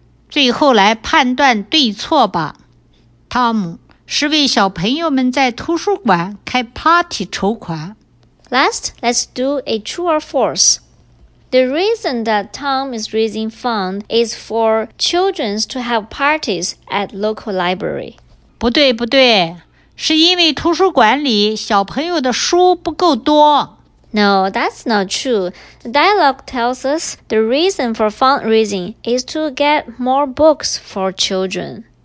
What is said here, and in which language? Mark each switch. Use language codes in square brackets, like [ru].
[zh] 最后来判断对错吧。Tom 是为小朋友们在图书馆开 party 筹款。 [en] Last, let's do a true or false. The reason that Tom is raising funds is for children to have parties at local library. [zh] 不对不对，是因为图书馆里小朋友的书不够多。 [en] No, that's not true. The dialogue tells us the reason for fundraising is to get more books for children.